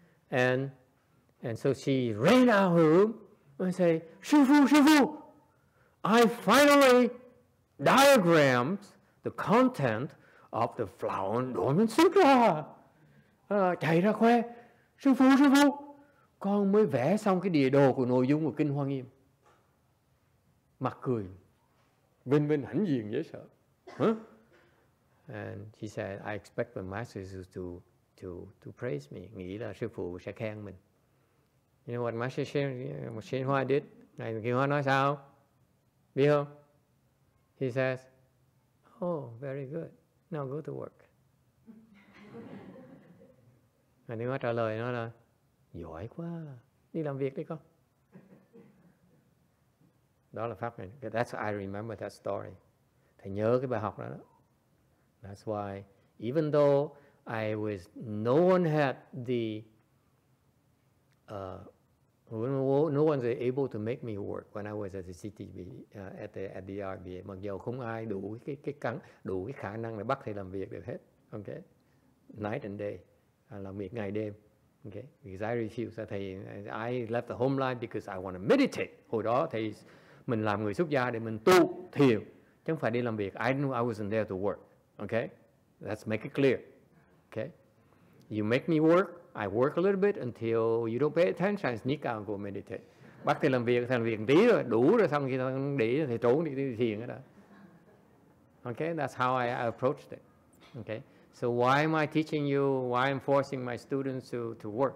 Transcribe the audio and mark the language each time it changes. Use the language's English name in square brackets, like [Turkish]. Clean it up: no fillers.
[English] And so she ran out of her room and say, Shifu, I finally diagrammed the content of the flower dormant sutra. [Vietnamese] Chạy ra khoe, Shifu, con mới vẽ xong cái địa đồ của nội dung của Kinh Hoa Nghiêm. Mặt cười, bên hãnh diện dễ sợ. [English] Huh? And she said, I expect the masters to praise me, [Vietnamese] nghĩ là sư phụ sẽ khen mình. [English] You know what Master Xinhua did? [Vietnamese] Ngài Kinh Hoa nói sao? Biết không? [English] He says, oh, very good. Now go to work. [Vietnamese] Ngài Kinh Hoa trả lời nó là, giỏi quá, đi làm việc đi con. Đó là pháp này. [English] That's why I remember that story. [Vietnamese] Thầy nhớ cái bài học đó. [English] That's why, even though no one was able to make me work when I was at the CTB, at the RBA. [Vietnamese] Mặc dù không ai đủ cái khả năng để bắt thầy làm việc được hết. [English] Okay, night and day, [Vietnamese] làm việc ngày đêm. [English] Okay, because I refused. I left the home life because I want to meditate. [Vietnamese] Hồi đó thầy mình làm người xuất gia để mình tu thiền, chứ không phải đi làm việc. [English] I knew I wasn't there to work. Okay, let's make it clear. Okay, you make me work, I work a little bit until you don't pay attention, I sneak out and go meditate. [Vietnamese] Bắt thầy làm việc tí rồi, đủ rồi xong khi để thầy trốn đi thiền đó. [English] Okay, that's how I approached it. Okay, so why am I teaching you, why I'm forcing my students to work?